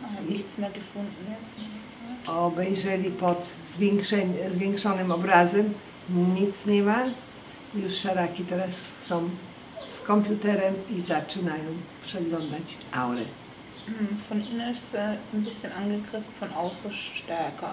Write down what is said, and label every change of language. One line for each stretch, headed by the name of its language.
German: Nichts mehr gefunden jetzt.
Polish: Obejrzeli pod zwiększonym obrazem, nic nie ma. Już szaraki teraz są z komputerem i zaczynają przeglądać aurę.
German: Von innen ist ein bisschen angegriffen, von außen stärker.